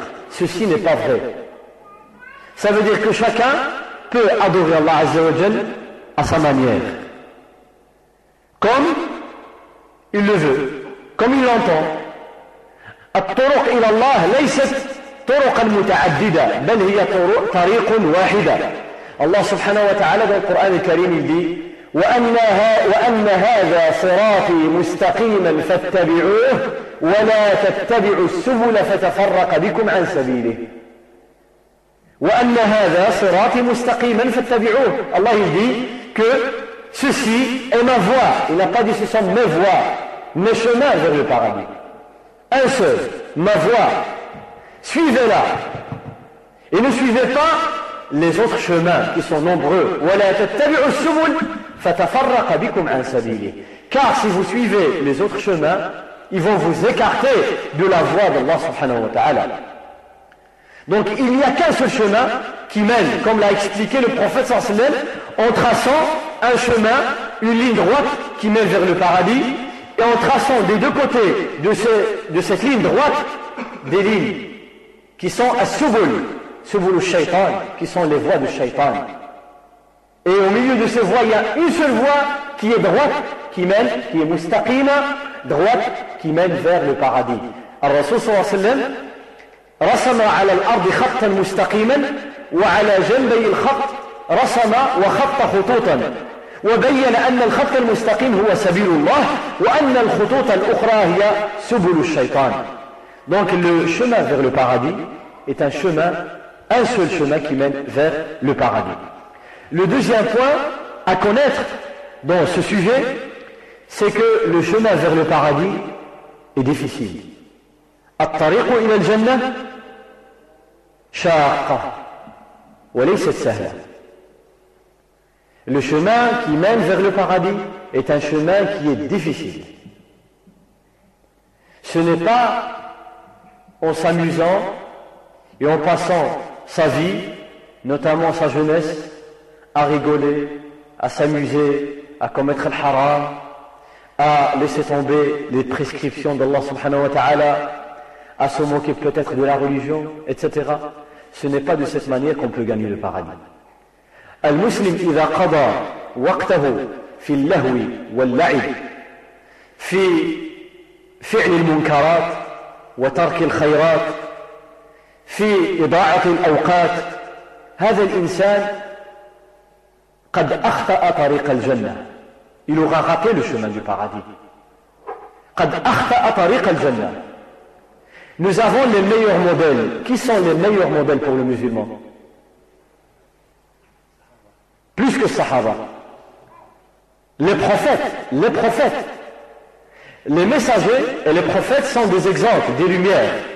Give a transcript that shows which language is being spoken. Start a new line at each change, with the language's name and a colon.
French: Ceci n'est pas vrai. Ça veut dire que chacun peut adorer Allah Azza wa Jal à sa manière, comme il le veut, comme il l'entend.
Arabic: الطرق إلى الله ليست طرقا متعددة بل هي طريق واحدة. الله سبحانه وتعالى في القرآن الكريم
French: dit
Arabic: وأن هذا صراطي مستقيما فاتبعوه ولا تتبعوا السبل فتفرق بكم عن سبيله. وأن هذا صراطي مستقيما فاتبعوه.
French: الله dit que ceci est ma voie. Il n'a pas dit ce sont mes voies, mes chemins vers le paradis. Un seul, ma voie. Suivez-la. Et ne suivez pas les autres chemins qui sont nombreux.
Arabic: وَلَا تَتَّبِعُوا السُّبُلَ فَتَفَرَّقَ بِكُمْ عَنْ سَبِيلِهِ.
French: Car si vous suivez les autres chemins, ils vont vous écarter de la voie d'Allah subhanahu wa ta'ala. Donc il n'y a qu'un seul chemin qui mène, comme l'a expliqué le prophète sallallahu alayhi wa sallam, en traçant un chemin, une ligne droite qui mène vers le paradis, et en traçant des deux côtés de cette ligne droite des lignes qui sont à subul, subul shaytan, qui sont les voies du shaytan. Et au milieu de ces voies, il y a une seule voie qui est droite, qui mène, qui est mustaqima, droite, qui mène vers le paradis.
Arabic: Al Rasul sallallahu alayhi wa sallam رسم على الأرض خطا مستقيما وعلى جنبي الخط رسم وخط خطوطا وبين أن الخط المستقيم هو سبيل الله وأن الخطوط الأخرى هي سبل الشيطان.
French: Donc le chemin vers le paradis est un chemin, un seul chemin qui mène vers le paradis. Le deuxième point à connaître dans ce sujet, c'est que le chemin vers le paradis est difficile.
Arabic: الطريق إلى الجنة شاقة وليست سهلة.
French: Le chemin qui mène vers le paradis est un chemin qui est difficile. Ce n'est pas en s'amusant et en passant sa vie, notamment sa jeunesse, à rigoler, à s'amuser, à commettre le haram, à laisser tomber les prescriptions d'Allah subhanahu wa ta'ala, à se moquer peut-être de la religion, etc. Ce n'est pas de cette manière qu'on peut gagner le paradis.
Arabic: Al-Muslim, إذا قضى وقته في اللهو واللعب في فعل المنكرات وترك الخيرات في إضاعة الأوقات هذا الإنسان قد أخطأ طريق الجنة
French: il aura raté le chemin du paradis
Arabic: قد أخطأ طريق الجنة.
French: Nous avons les meilleurs modèles. Qui sont les meilleurs modèles pour le musulman? Plus que Sahaba. Les prophètes. Les messagers et les prophètes sont des exemples, des lumières.